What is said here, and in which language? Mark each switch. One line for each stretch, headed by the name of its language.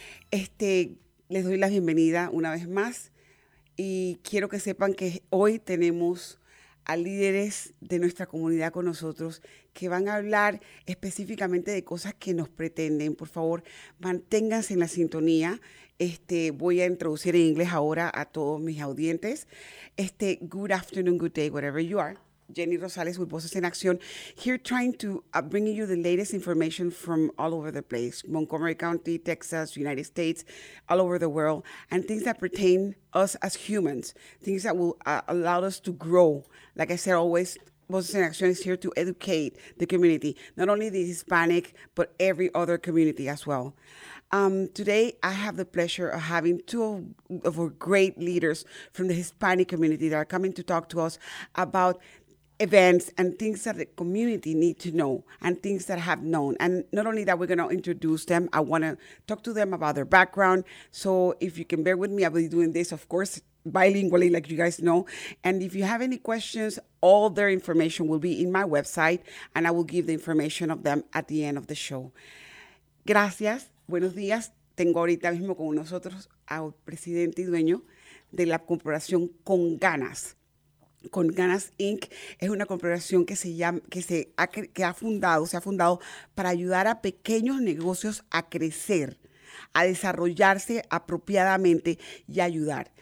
Spanish: Les doy la bienvenida una vez más y quiero que sepan que hoy tenemos a líderes de nuestra comunidad con nosotros que van a hablar específicamente de cosas que nos pretenden. Por favor, manténganse en la sintonía. Voy a introducir en inglés ahora a todos mis audientes.
English: Good afternoon, good day, whatever you are. Jenny Rosales with Voces en Acción, here trying to bring you the latest information from all over the place, Montgomery County, Texas, United States, all over the world, and things that pertain us as humans, things that will allow us to grow. Like I said, always, Voces en Acción is here to educate the community, not only the Hispanic, but every other community as well. Today, I have the pleasure of having two of our great leaders from the Hispanic community that are coming to talk to us about events and things that the community need to know and things that have known. And not only that, we're going to introduce them. I want to talk to them about their background. So if you can bear with me, I'll be doing this, of course, bilingually, like you guys know. And if you have any questions, all their information will be in my website and I will give the information of them at the end of the show.
Spanish: Gracias. Buenos días. Tengo ahorita mismo con nosotros al presidente y dueño de la corporación Con Ganas. Con Ganas Inc. es una corporación que se ha fundado para ayudar a pequeños negocios a crecer, a desarrollarse apropiadamente y ayudar.